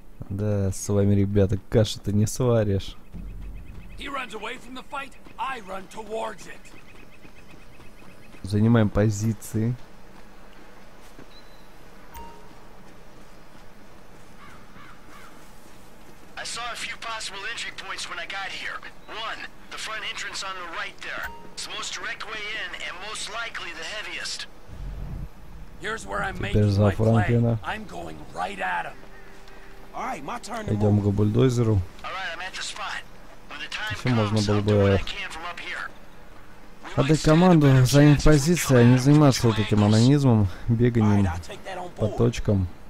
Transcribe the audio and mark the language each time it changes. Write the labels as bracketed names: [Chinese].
[Russian] Да, с вами, ребята, кашу ты не сваришь. [English] He runs away from the fight, I run towards it. [Russian] Занимаем позиции. [English] I saw a few possible entry points when I got here. One, the front entrance on the right there. It's the most direct way in and most likely the heaviest. Here's where I'm making my play. I'm going right at him. All right, my turn. [Russian] Идем к бульдозеру. [English] All right, I'm at the spot. When the time comes, I'll do what I can from up here. [Russian] А дай команду занять позиции, а не заниматься вот этим анонизмом, беганием по точкам.